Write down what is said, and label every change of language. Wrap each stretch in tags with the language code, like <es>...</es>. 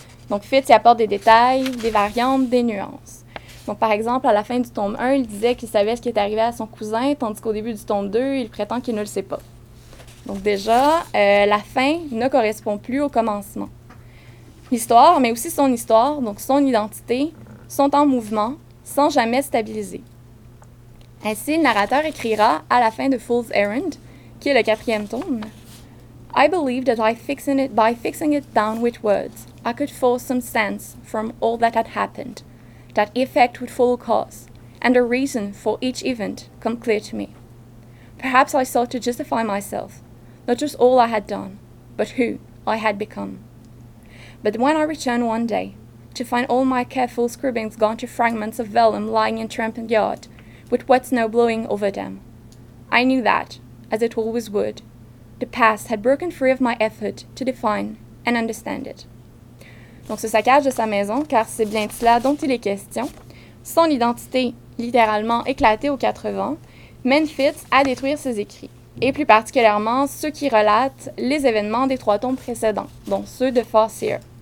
<fr>Donc, Fitz y apporte des détails, des variantes, des nuances. Donc, par exemple, à la fin du tome 1, il disait qu'il savait ce qui est arrivé à son cousin, tandis qu'au début du tome 2, il prétend qu'il ne le sait pas. Donc, déjà, la fin ne correspond plus au commencement. L'histoire, mais aussi son histoire, donc son identité, sont en mouvement, sans jamais stabiliser. Ainsi, le narrateur écrira à la fin de Fool's Errand, qui est le quatrième tome,</fr> <en>« I believe that by fixing it down with words, I could force some sense from all that had happened, that effect would follow cause, and a reason for each event come clear to me. Perhaps I sought to justify myself, not just all I had done, but who I had become. But when I returned one day, to find all my careful scribblings gone to fragments of vellum lying in Trampin' Yard, with wet snow blowing over them, I knew that, as it always would, the past had broken free of my effort to define and understand it.</en> <fr>Donc, ce saccage de sa maison, car c'est bien de cela dont il est question, son identité littéralement éclatée aux quatre vents, mène Fitz à détruire ses écrits, et plus particulièrement ceux qui relatent les événements des trois tomes précédents, dont ceux de Farcia.</fr>